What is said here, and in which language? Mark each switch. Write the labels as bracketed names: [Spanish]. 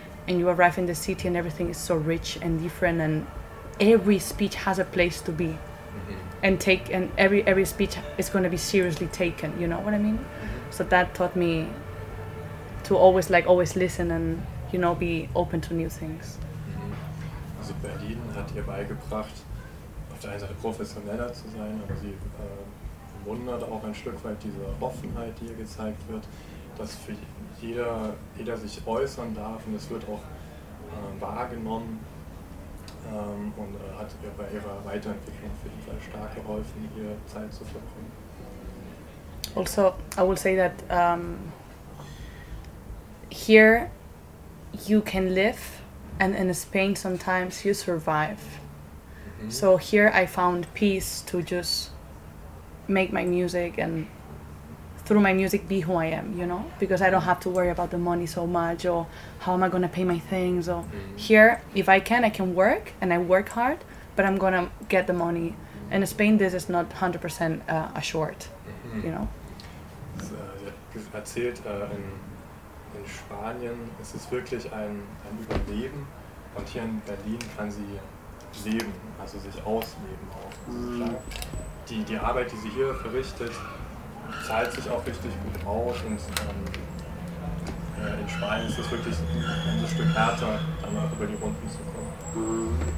[English] And you arrive in the city and everything is so rich and different, and every speech has a place to be. Mm-hmm. And take, and every speech is going to be seriously taken, you know what I mean? Mm-hmm. So that taught me to always, like, always listen and, you know, be open to new things. Mm-hmm. [German] Also Berlin hat ihr beigebracht, auf der einen Seite professioneller zu sein, aber sie bewundert auch ein Stück weit diese Offenheit, die ihr gezeigt wird, dass für jeder sich äußern darf, und es wird auch wahrgenommen. Und hat ihr bei ihrer Weiterentwicklung auf jeden Fall stark geholfen, ihr Zeit zu verbringen. [English] Also, I will say that here you can live, and in Spain sometimes you survive. Mm-hmm. So here I found peace to just make my music, and through my music be who I am, you know, because I don't have to worry about the money so much, or how am I going to pay my things, or mm-hmm. here, if I can, I can work, and I work hard, but I'm going to get the money. Mm-hmm. And in Spain, this is not 100% assured, mm-hmm. you know. [German] Sie hat erzählt, in Spanien ist es wirklich ein Überleben, und hier in Berlin kann sie leben, also sich ausleben auch. Die Arbeit, die sie hier verrichtet, zahlt sich auch richtig gut aus, und in Spanien ist es wirklich ein Stück härter, dann auch über die Runden zu kommen.